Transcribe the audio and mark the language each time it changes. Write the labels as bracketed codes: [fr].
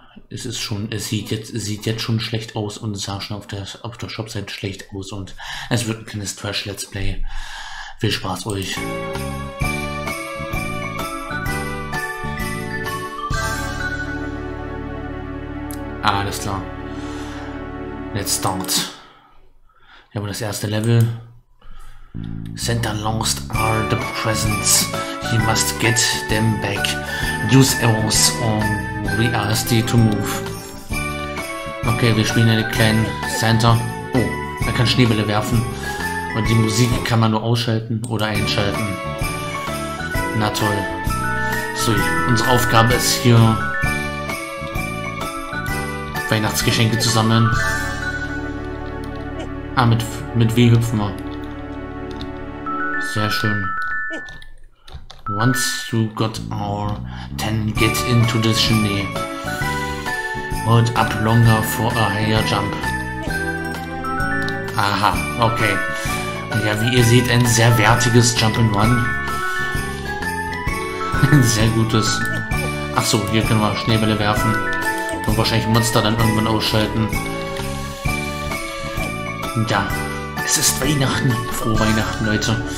[de] Es ist schon, es sieht jetzt schon schlecht aus und sah schon auf der Shopseite schlecht aus und es wird ein kleines Trash Let's Play. Viel Spaß euch. Alles klar. [en] Let's start. [de] Wir haben das erste Level. [en] Santa lost all the presents. He must get them back. Use arrows on RST to move. [de] Okay, wir spielen einen kleinen Santa. Oh, er kann Schneebälle werfen. Und die Musik kann man nur ausschalten oder einschalten. Na toll. So, unsere Aufgabe ist hier, Weihnachtsgeschenke zu sammeln. Ah, mit W hüpfen wir. Sehr schön. [en] Once you got all, then get into the chimney. Hold up longer for a higher jump. [de] Aha, okay. Ja, wie ihr seht, ein sehr wertiges Jump'n'Run. Ein sehr gutes. Ach so, hier können wir Schneebälle werfen. Und wahrscheinlich Monster dann irgendwann ausschalten. Ja, es ist Weihnachten. Frohe Weihnachten, Leute.